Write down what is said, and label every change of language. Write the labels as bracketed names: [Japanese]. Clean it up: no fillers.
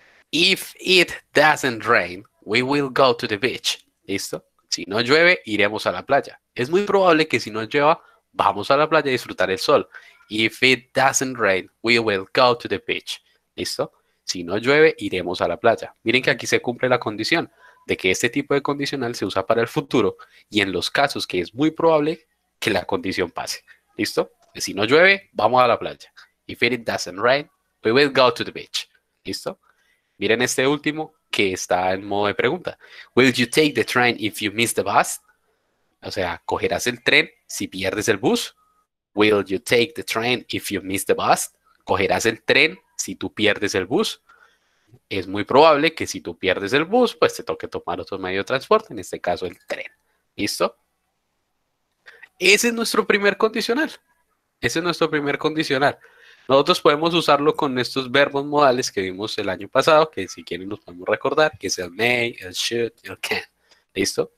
[English] If it doesn't rain, we will go to the beach. [Spanish] ¿Listo? Si no llueve, iremos a la playa. Es muy probable que si no llueva, vamos a la playa a disfrutar el sol. [English] If it doesn't rain, we will go to the beach. [Spanish] ¿Listo? Si no llueve, iremos a la playa. Miren que aquí se cumple la condición de que este tipo de condicional se usa para el futuro y en los casos que es muy probable que la condición pase. ¿Listo? Si no llueve, vamos a la playa. [English] If it doesn't rain, we will go to the beach. [Spanish] ¿Listo? Miren este último que está en modo de pregunta. [English] Will you take the train if you miss the bus? [Spanish] O sea, ¿cogerás el tren si pierdes el bus? [English] Will you take the train if you miss the bus? [Spanish] ¿Cogerás el tren si tú pierdes el bus? Es muy probable que si tú pierdes el bus, pues te toque tomar otro medio de transporte, en este caso el tren. ¿Listo? Ese es nuestro primer condicional. Ese es nuestro primer condicional. Nosotros podemos usarlo con estos verbos modales que vimos el año pasado, que si quieren los podemos recordar, que es el may, el should, el can. ¿Listo?